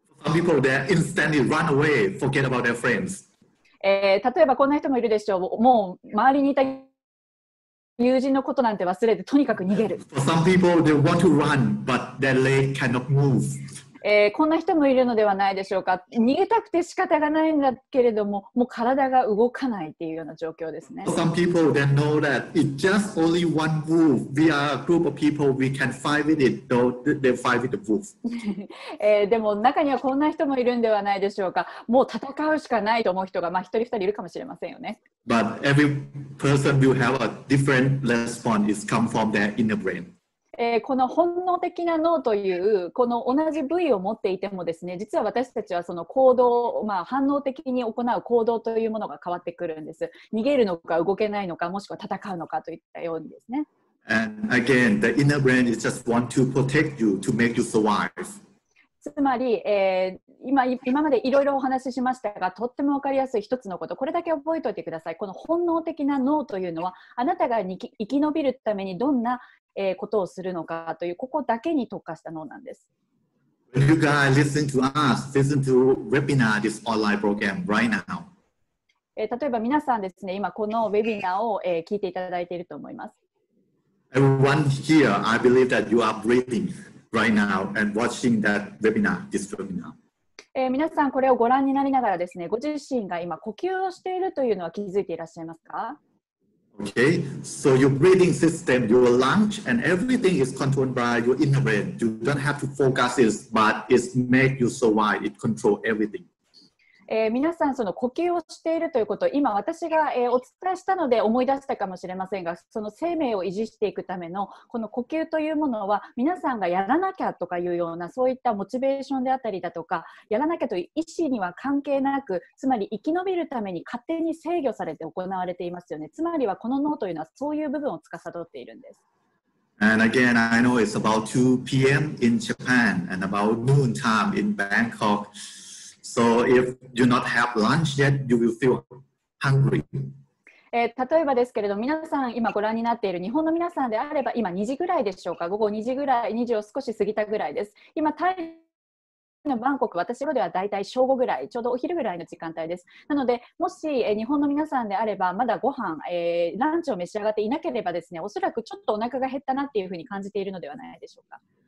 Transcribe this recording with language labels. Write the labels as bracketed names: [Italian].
[English] Some people, they instantly run away, forget about their friends. [Japanese] 例えばこんな人もいるでしょう。もう周りにいた友人のことなんて忘れてとにかく逃げる。 [English] Some people, they want to run, but their leg cannot move. [Japanese] こんな人もいるのではないでしょうか。逃げたくて仕方がないんだけれども、もう体が動かないっていうような状況ですね。 [English] Some people they know that it's just only one wolf. We are a group of people. We can fight with it. Though they fight with the wolf. [Japanese] でも中にはこんな人もいるんではないでしょうか。もう戦うしかないと思う人がまあ一人二人いるかもしれませんよね。 [English] But every person will have a different response. It's come from their inner brain. [Japanese] この本能的な脳というこの同じ部位を持っていてもですね、実は私たちはその行動、まあ、反応的に行う行動というものが変わってくるんです。逃げるのか動けないのかもしくは戦うのかといったようにですね。 [English] And again, the inner brain is just want to protect you to make you survive. [Japanese] つまり、今までいろいろお話ししましたが、とってもわかりやすい一つのこと、これだけ覚えておいてください。この本能的な脳というのはあなたが生き延びるためにどんなことをするのかというここだけに特化した脳なんです。 [English] When you guys listen to us, listen to webinar, this online program right now. [Japanese] 例えば皆さんですね、今このウェビナーを聞いていただいていると思います。 [English] Everyone here, I believe that you are breathing right now and watching that webinar, this webinar. [Japanese] 皆さんこれをご覧になりながらですね、ご自身が今呼吸をしているというのは気づいていらっしゃいますか？ [English] Okay, so your breathing system, your lungs, and everything is controlled by your inner brain. You don't have to focus it, but it's make you survive. It controls everything. [Japanese] 皆さんその呼吸をしているということ、今私が、お伝えしたので思い出したかもしれませんが、その生命を維持していくためのこの呼吸というものは、皆さんがやらなきゃとかいうようなそういったモチベーションであったりだとか、やらなきゃという意思には関係なく、つまり生き延びるために勝手に制御されて行われていますよね。つまりはこの脳というのはそういう部分を司っているんです。 [English] And again, I know it's about 2 p.m. in Japan and about noon time in Bangkok. So if you not have lunch yet, you will feel hungry. [Japanese] 例えばですけれど、皆さん今ご覧になっている日本の皆さんであれば、今2時ぐらいでしょうか。午後2時ぐらい、2時を少し過ぎたぐらいです。今タイのバンコク、私のではだいたい正午ぐらい、ちょうどお昼ぐらいの時間帯です。なので、もし日本の皆さんであれば、まだご飯、ランチを召し上がっていなければですね、おそらくちょっとお腹が減ったなっていうふうに感じているのではないでしょうか。